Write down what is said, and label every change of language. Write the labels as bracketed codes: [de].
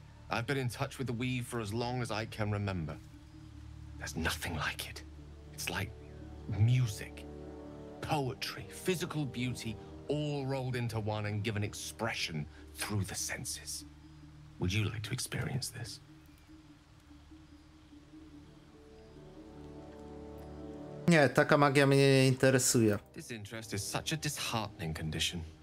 [en] I've been in touch with the weave for as long as I can remember. There's nothing like it. It's like music, poetry, physical beauty, all rolled into one and given expression through the senses. Would you like to experience this? [pl] Nie, taka magia mnie nie interesuje. [en] Disinterest is such a disheartening condition.